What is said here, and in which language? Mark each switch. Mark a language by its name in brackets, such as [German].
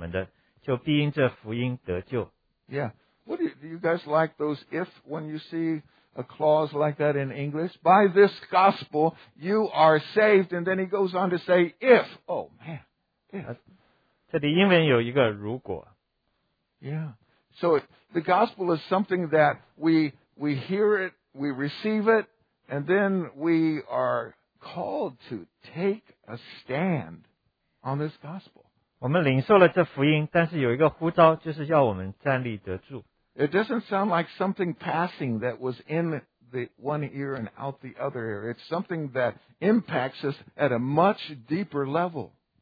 [Chinese] 弟兄们，我如今把先前所传给你们的福音告诉你们知道，这福音你们也领受了，又靠着站立得住，并且你们若不是突然相信，能以持守我所传给你们的，就必因这福音得救。Yeah, [English] what do you guys like those if when you see a clause like that in English? By this gospel, you are saved. And then he goes on to say, if. Oh, man. If. [Chinese] 这里英文有一个如果。 [English] Yeah. So the gospel is something that we hear it, we receive it, and then we are called to take a stand on this gospel. [Chinese] 我们领受了这福音，但是有一个呼召，就是要我们站立得住。 [English] It doesn't sound like something passing that was in the one ear and out the other ear. It's something that impacts us at a much deeper level.